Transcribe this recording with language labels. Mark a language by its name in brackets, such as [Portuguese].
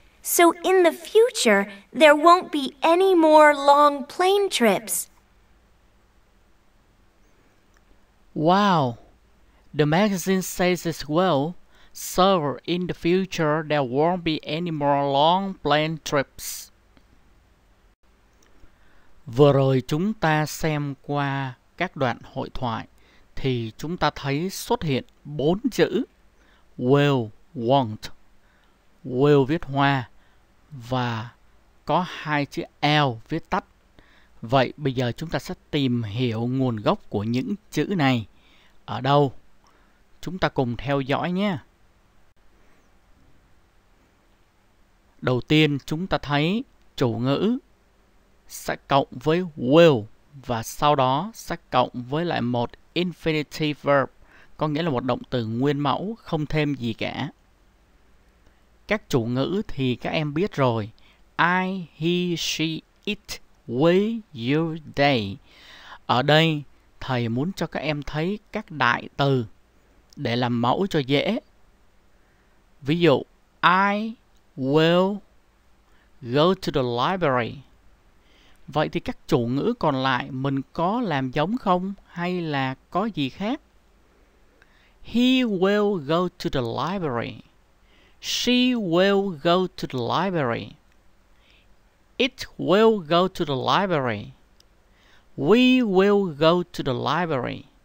[English] So in the future, there won't be any more long plane trips. Wow! The magazine says as well, so in the future, there won't be any more long plane trips. [Vietnamese] Vừa rồi chúng ta xem qua các đoạn hội thoại, thì chúng ta thấy xuất hiện 4 chữ. [English] Will, won't. Will [Vietnamese] viết hoa. Và có 2 chữ L viết tắt. Vậy bây giờ chúng ta sẽ tìm hiểu nguồn gốc của những chữ này ở đâu. Chúng ta cùng theo dõi nhé. Đầu tiên chúng ta thấy chủ ngữ sẽ cộng với will và sau đó sẽ cộng với lại một [English] infinitive verb, [Vietnamese] có nghĩa là một động từ nguyên mẫu không thêm gì cả. Các chủ ngữ thì các em biết rồi. [English] I, he, she, it, we, you, they. [Vietnamese] Ở đây, thầy muốn cho các em thấy các đại từ để làm mẫu cho dễ. Ví dụ, [English] I will go to the library. [Vietnamese] Vậy thì các chủ ngữ còn lại mình có làm giống không hay là có gì khác? [English] He will go to the library. She will go to the library. It will go to the library. We will go to the library.